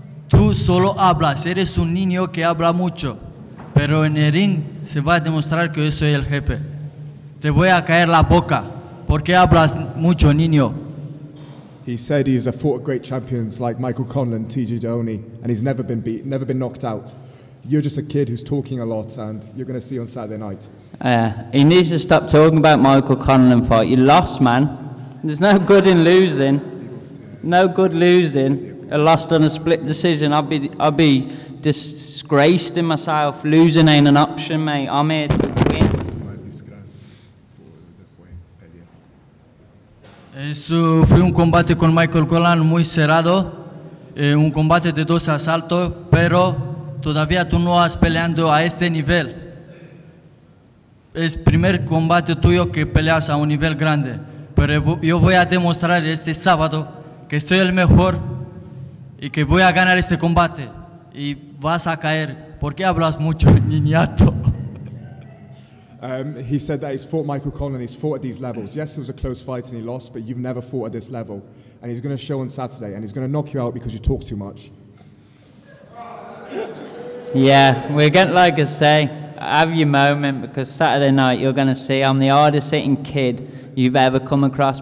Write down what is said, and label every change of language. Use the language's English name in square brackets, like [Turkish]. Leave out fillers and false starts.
[Spanish] Tú solo hablas, eres un niño que habla mucho, pero en el ring se va a demostrar que yo soy el jefe. Te voy a caer la boca, porque hablas mucho, niño. [English] He said he's fought great champions like Michael Conlan, TJ Dohoney, and he's never been beat, never been knocked out. You're just a kid who's talking a lot, and you're going to see on Saturday night. He needs to stop talking about Michael Conlan fight. You lost, man. There's no good in losing. No good losing. A lost on a split decision, I'd be disgraced in myself. Losing ain't an option, mate. I'm here to win. [Spanish] Eso fue un combate con Michael Collan muy cerrado, un combate de 12 asaltos, pero todavía tú no has peleando a este nivel. Es primer combate tuyo que peleas a un nivel grande, pero yo voy a demostrar este sábado que soy el mejor. Y que voy a ganar este combate y vas a caer. ¿Por qué hablas mucho, niñato? [English] He said that he's fought Michael Conlan, he's fought at these levels. Yes, it was a close fight and he lost, but you've never fought at this level. And he's going to show on Saturday and he's going to knock you out because you talk too much. Yeah, we're getting, like I say, have your moment because Saturday night you're going to see I'm the hardest hitting kid you've ever come across.